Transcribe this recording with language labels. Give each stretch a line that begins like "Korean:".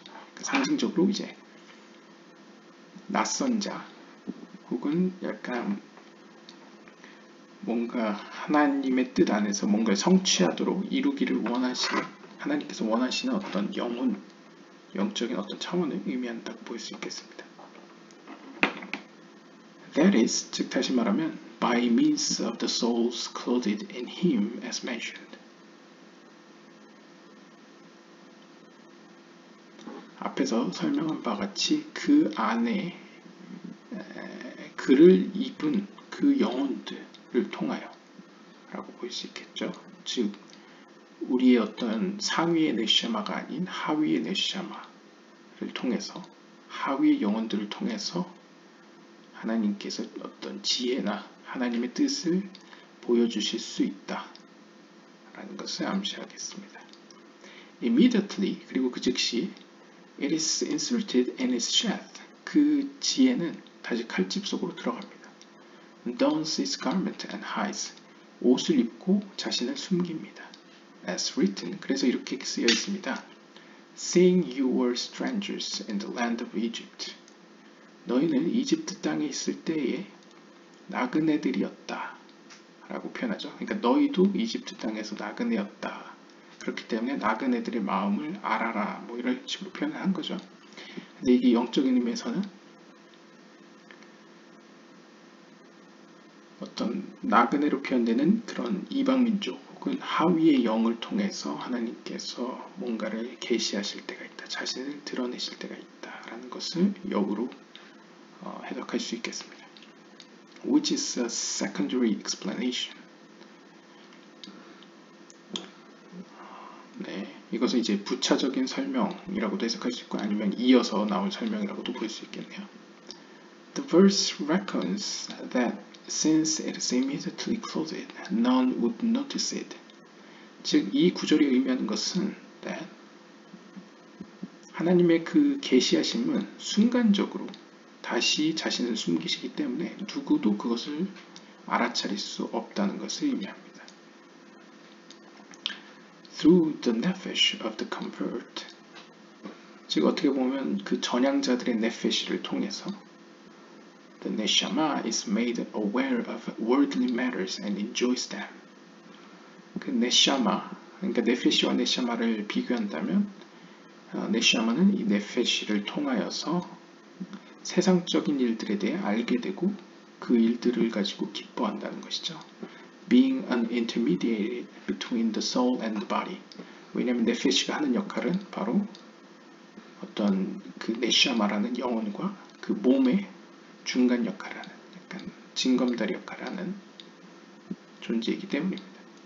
Korean: 그러니까 상징적으로 이제 낯선 자 혹은 약간 뭔가 하나님의 뜻 안에서 뭔가를 성취하도록 이루기를 원하시는 하나님께서 원하시는 어떤 영혼, 영적인 어떤 차원을 의미한다고 볼 수 있겠습니다.
English: That is,
Korean: 즉 다시 말하면
English: by means of the souls clothed in him as mentioned.
Korean: 앞에서 설명한 바 같이 그 안에 그를 입은 그 영혼들을 통하여 라고 볼 수 있겠죠. 즉 우리의 어떤 상위의 네시마가 아닌 하위의 네시마를 통해서 하위의 영혼들을 통해서 하나님께서 어떤 지혜나 하나님의 뜻을 보여주실 수 있다 라는 것을 암시하겠습니다.
English: Immediately,
Korean: 그리고 그 즉시
English: It is inserted in its sheath.
Korean: 그 지혜는 다시 칼집 속으로 들어갑니다.
English: Dons its garment and hides.
Korean: 옷을 입고 자신을 숨깁니다.
English: As written,
Korean: 그래서 이렇게 쓰여 있습니다.
English: Seeing you were strangers in the land of Egypt.
Korean: 너희는 이집트 땅에 있을 때에 나그네들이었다 라고 표현하죠. 그러니까 너희도 이집트 땅에서 나그네였다. 그렇기 때문에 나그네들의 마음을 알아라 뭐 이런 식으로 표현을 한 거죠. 근데 이게 영적인 의미에서는 어떤 나그네로 표현되는 그런 이방민족 혹은 하위의 영을 통해서 하나님께서 뭔가를 계시하실 때가 있다. 자신을 드러내실 때가 있다 라는 것을 역으로 해석할 수 있겠습니다.
English: Which is a secondary explanation.
Korean: 네, 이것은 이제 부차적인 설명이라고도 해석할 수 있고 아니면 이어서 나올 설명이라고도 볼 수 있겠네요.
English: The verse reckons that since it is immediately clothed, none would notice it.
Korean: 즉, 이 구절이 의미하는 것은 that 하나님의 그 계시하심은 순간적으로 다시 자신을 숨기시기 때문에 누구도 그것을 알아차릴 수 없다는 것을 의미합니다.
English: Through the nefesh of the convert,
Korean: 즉 어떻게 보면 그 전향자들의 nefesh를 통해서
English: the neshama is made aware of worldly matters and enjoys them.
Korean: 그 neshama, 그러니까 nefesh와 neshama를 비교한다면 neshama는 이 nefesh를 통하여서 세상적인 일들에 대해 알게 되고 그 일들을 가지고 기뻐한다는 것이죠.
English: Being an intermediary between the soul and the body.
Korean: 왜냐하면 네페시가 하는 역할은 바로 어떤 그 네시아마라는 영혼과 그 몸의 중간 역할을 하는 약간 징검다리 역할을 하는 존재이기 때문입니다.